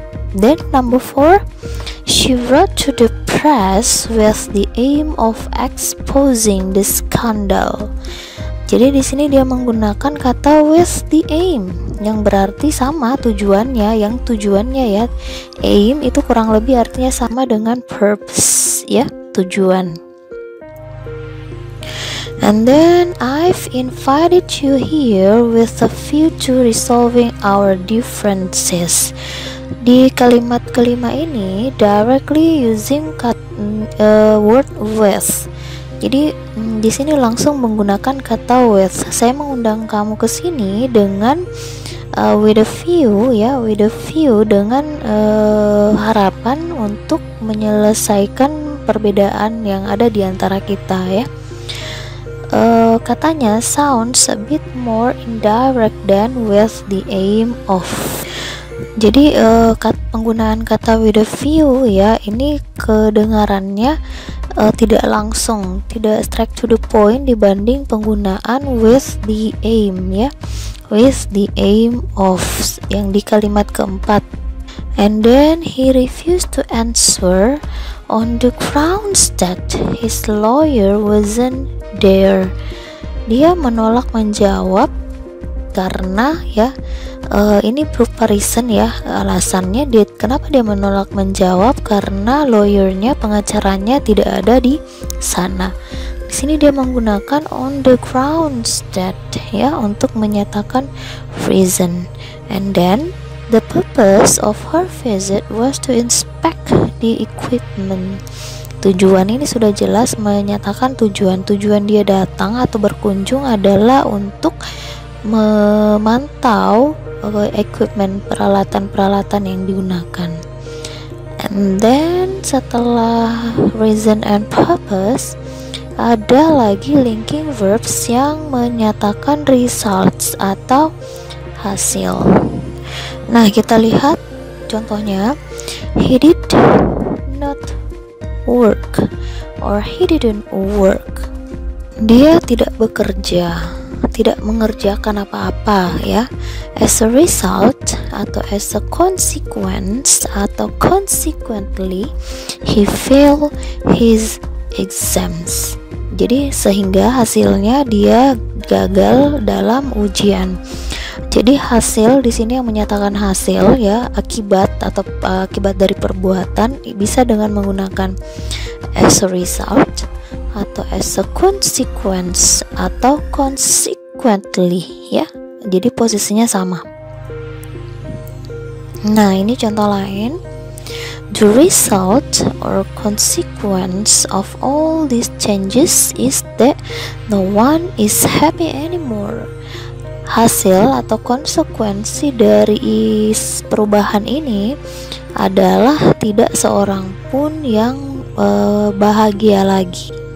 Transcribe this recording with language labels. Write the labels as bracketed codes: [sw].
[en] Then number 4, she wrote to the press with the aim of exposing the scandal. [id] Jadi di sini dia menggunakan kata with the aim yang berarti sama tujuannya, yang tujuannya, ya. Aim itu kurang lebih artinya sama dengan purpose, ya, tujuan. [en] And then I've invited you here with a view to resolving our differences. [id] Di kalimat kelima ini [en] directly using word with. [id] Jadi di sini langsung menggunakan kata with. Saya mengundang kamu ke sini dengan with a view, ya, with a view, dengan harapan untuk menyelesaikan perbedaan yang ada di antara kita, ya. [en] Katanya sounds a bit more indirect than with the aim of. [id] Jadi penggunaan kata with a view, ya, ini kedengarannya tidak langsung, tidak [en] straight to the point [id] dibanding penggunaan with the aim, ya, with the aim of yang di kalimat keempat. [en] And then he refused to answer on the grounds that his lawyer wasn't there. [id] Dia menolak menjawab karena, ya, ini proof reason, ya, alasannya dia, kenapa dia menolak menjawab karena lawyernya, pengacaranya tidak ada di sana. Di sini dia menggunakan on the grounds that, ya, untuk menyatakan reason. [en] And then the purpose of her visit was to inspect the equipment. [id] Tujuan ini sudah jelas menyatakan tujuan. Tujuan dia datang atau berkunjung adalah untuk memantau equipment, peralatan-peralatan yang digunakan. [en] And then [id] setelah reason and purpose, ada lagi linking verbs yang menyatakan results atau hasil. Nah, kita lihat contohnya. [en] He did not work, or he didn't work. [id] Dia tidak bekerja, tidak mengerjakan apa-apa, ya. [en] As a result, atau as a consequence, atau consequently, he failed his exams. [id] Jadi sehingga hasilnya dia gagal dalam ujian. Jadi hasil di sini yang menyatakan hasil, ya, akibat atau akibat dari perbuatan, bisa dengan menggunakan as a result atau as a consequence atau consequently, ya. Jadi posisinya sama. Nah, ini contoh lain. [en] The result or consequence of all these changes is that no one is happy anymore. [id] Hasil atau konsekuensi dari perubahan ini adalah tidak seorang pun yang bahagia lagi.